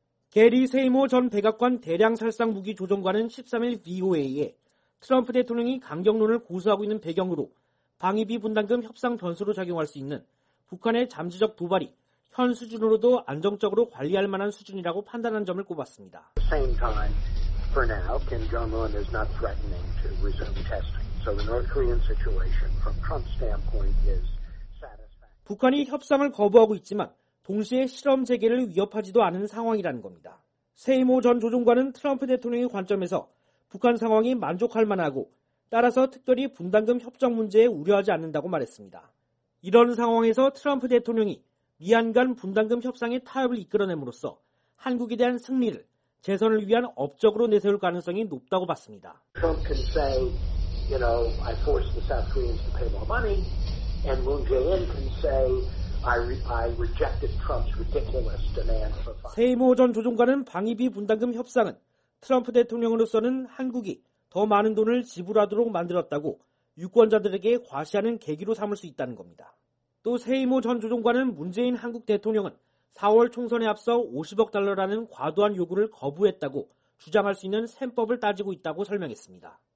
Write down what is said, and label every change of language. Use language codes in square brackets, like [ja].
[ko] 게리 세이모 전 백악관 대량살상 무기 조정관은 13일 VOA에 트럼프 대통령이 강경론을 고수하고 있는 배경으로 방위비 분담금 협상 변수로 작용할 수 있는 북한의 잠재적 도발이 현 수준으로도 안정적으로 관리할 만한 수준이라고 판단한 점을 꼽았습니다. [en] for now, Kim Jong-un is not threatening to resume testing. So the North Korean situation from Trump's standpoint is satisfactory. [ko] 북한이 협상을 거부하고 있지만 동시에 실험 재개를 위협하지도 않은 상황이라는 겁니다. 세이모 전 조종관은 트럼프 대통령의 관점에서 북한 상황이 만족할 만하고 따라서 특별히 분담금 협정 문제에 우려하지 않는다고 말했습니다. 이런 상황에서 트럼프 대통령이 미한 간 분담금 협상의 타협을 이끌어내므로써 한국에 대한 승리를 재선을 위한 업적으로 내세울 가능성이 높다고 봤습니다. [en] Trump can say, you know, I forced the South Koreans to pay more money, and Moon Jae-in can say, I rejected Trump's ridiculous demand for funds. [ko] 세이모 전 조종관은 방위비 분담금 협상은 트럼프 대통령으로서는 한국이 더 많은 돈을 지불하도록 만들었다고 유권자들에게 과시하는 계기로 삼을 수 있다는 겁니다. 또 세이모 전 조종관은 문재인 한국 대통령은 4월 총선에 앞서 50억 달러라는 과도한 요구를 거부했다고 주장할 수 있는 셈법을 따지고 있다고 설명했습니다.